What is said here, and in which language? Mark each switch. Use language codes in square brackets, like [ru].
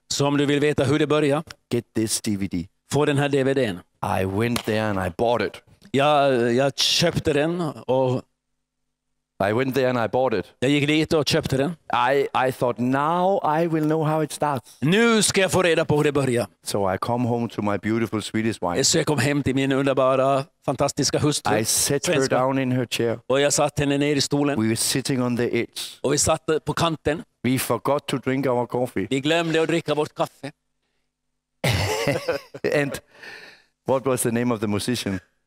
[sv] Så om du vill veta hur det började. [en] Get this DVD. [sv] Få den här DVD:n. [en] I went there and I bought it. [sv] Jag köpte den och [en] I went there and I bought it. [sv] Jag gick dit och köpte den. [en] I thought now I will know how it starts. [sv] Nu ska jag få reda på hur det börjar. [en] So I come home to my beautiful Swedish wife. [sv] Så jag kom hem till min underbara fantastiska hustru. [en] I set her down in her chair. [sv] Och jag satte henne ner i stolen. [en] We were sitting on the edge. [sv] Och vi satt på kanten. [en] We forgot to drink our coffee. [sv] Vi glömde att dricka vårt kaffe. [en] And what was the name of the musician?